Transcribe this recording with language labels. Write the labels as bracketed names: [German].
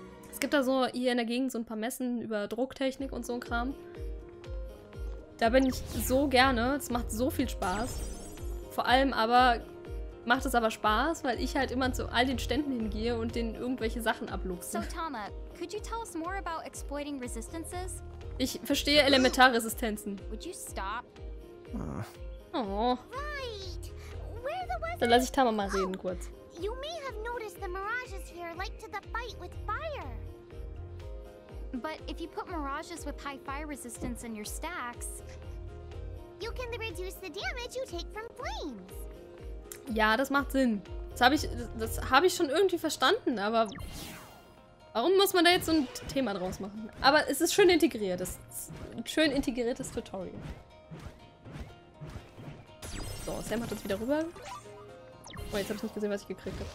[German] Es gibt da so hier in der Gegend so ein paar Messen über Drucktechnik und so ein Kram. Da bin ich so gerne. Es macht so viel Spaß. Vor allem aber macht es aber Spaß, weil ich halt immer zu all den Ständen hingehe und denen irgendwelche Sachen abluchse. [English] So, Tama, could you tell us more about exploiting resistances? [German] Ich verstehe Elementarresistenzen. [English] Would you stop? Oh. Right. Where the was? [German] Dann lasse ich Tama mal reden kurz. [English] You may have noticed the mirages here like to the fight with fire. But if you put mirages with high fire resistance in your stacks, you can reduce the damage you take from flames. [German] Ja, das macht Sinn. Das habe ich schon irgendwie verstanden, aber warum muss man da jetzt so ein Thema draus machen? Aber es ist schön integriert. Es ist ein schön integriertes Tutorial. So, Sam hat uns wieder rüber. Oh, jetzt habe ich nicht gesehen, was ich gekriegt habe.